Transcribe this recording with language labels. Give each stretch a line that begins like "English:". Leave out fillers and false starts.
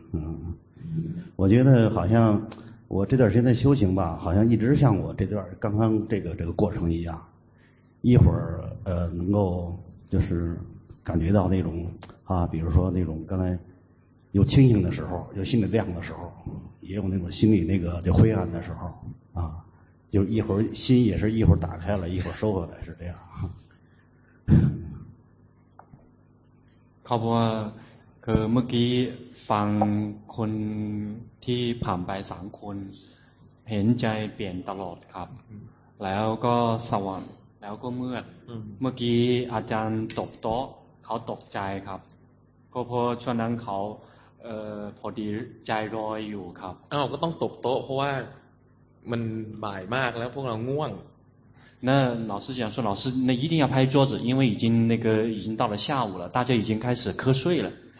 Chinese: 嗯，我觉得好像我这段时间的修行吧，好像一直像我这段刚刚这个过程一样，一会儿能够就是感觉到那种啊，比如说那种刚才有清醒的时候，有心里亮的时候，也有那种心里那个就灰暗的时候啊，就一会儿心也是一会儿打开了，一会儿收回来，是这样。
Thai: เขาบอกว่าคือเมื่อกี้ฟังคนที่ผ่านไปสามคนเห็นใจเปลี่ยนตลอดครับแล้วก็สว่างแล้วก็เมื่อเมื่อกี้อาจารย์ตบโต๊ะเขาตกใจครับเพราะฉะนั้นเขาพอดีใจลอยอยู่ครับ อ้าวก็ต้องตบโต๊ะเพราะว่ามันบ่ายมากแล้วพวกเราง่วง
Chinese: 那老师讲说，老师那一定要拍桌子，因为已经那个已经到了下午了，大家已经开始瞌睡了。